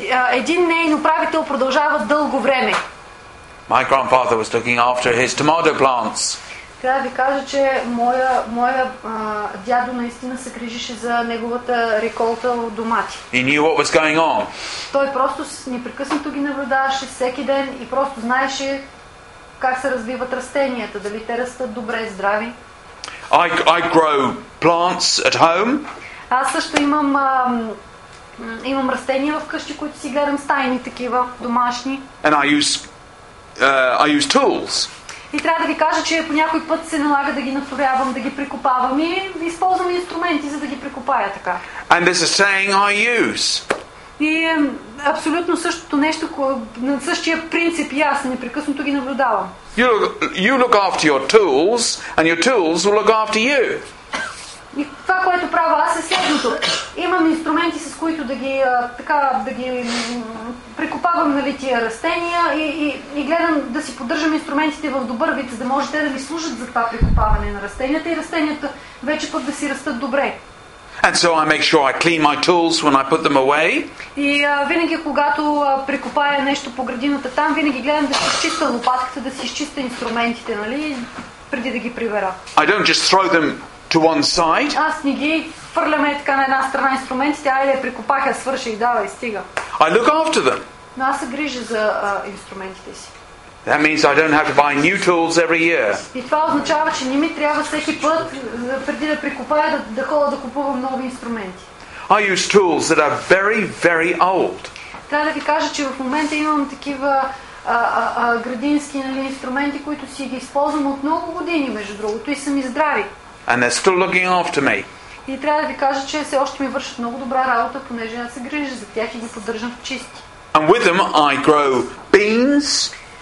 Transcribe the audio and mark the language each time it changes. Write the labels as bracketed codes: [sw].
[bg] Един неин управител продължава дълго време. [en] My grandfather was looking after his tomato plants. [bg] Трябва да ви кажа, че моя дядо наистина се грижише за неговата реколта от домати. [en] He knew what was going on. [bg] Той просто непрекъснато ги наблюдаваше всеки ден и просто знаеше как се развиват растенията, дали те растат добре, здрави. [en] I grow plants at home. [bg] Аз също имам растения вкъщи, които си гледам, стайни такива, домашни. [en] And I use tools. [bg] И трябва да ви кажа, че по някой път се налага да ги натурявам, да ги прикопавам и използвам инструменти, за да ги прикопая така. [en] And this is saying I use. [bg] И абсолютно същото нещо, на същия принцип и аз непрекъснато ги наблюдавам. [en] You look after your tools and your tools will look after you. [bg] И това, което правя аз, е следното. Имам инструменти, с които да ги така да ги прикопавам, нали, тия растения и гледам да си поддържам инструментите в добър вид, за да може те да ми служат за това прикопаване на растенията и растенията вече пък да си растат добре. [en] And so I make sure I clean my tools when I put them away. [bg] И винаги когато прикопая нещо по градината там, винаги гледам да си изчистя лопатката, да си изчистя инструментите, нали, преди да ги прибера. [en] I don't just throw them to one side. [bg] Аз не ги фърляме така на една страна инструментите, айде прикопах, я свърших, давай, стига. [en] I look after them. [bg] Но аз се грижа за инструментите си. [en] That means I don't have to buy new tools every year. [bg] И това означава, че не ми трябва всеки път преди да прикопая да ходя да купувам нови инструменти. [en] I use tools that are very, very old. [bg] Трябва да ви кажа, че в момента имам такива градински, нали, инструменти, които си ги използвам от много години, между другото, и са ми здрави. [en] And they're still looking after me. [bg] И трябва да ви кажа, че все още ми вършат много добра работа, понеже аз се грижа за тях и ги поддържам чисти. [en] And with them I grow beans.